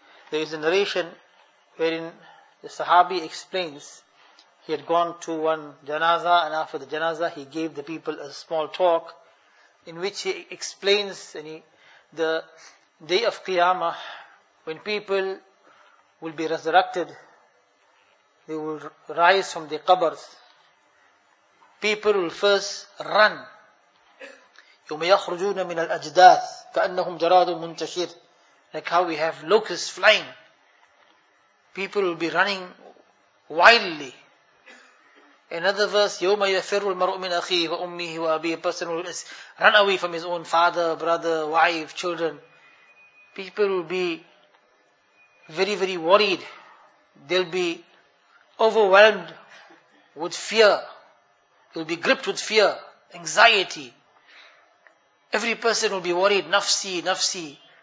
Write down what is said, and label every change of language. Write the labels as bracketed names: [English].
[English] There is a narration wherein the Sahabi explains he had gone to one janaza and after the janaza he gave the people a small talk in which he explains the day of Qiyamah when people will be resurrected, they will rise from their qabrs. People will first run. [Arabic] يوم يخرجون من الأجداث كأنهم جراد منتشر. [English] Like how we have locusts flying. People will be running wildly. Another verse, [Arabic] يوم يفر المرء من أخيه وأمه وأبيه. [English] A person will run away from his own father, brother, wife, children. People will be very, very worried. They'll be overwhelmed with fear. Will be gripped with fear, anxiety. Every person will be worried, nafsi, nafsi.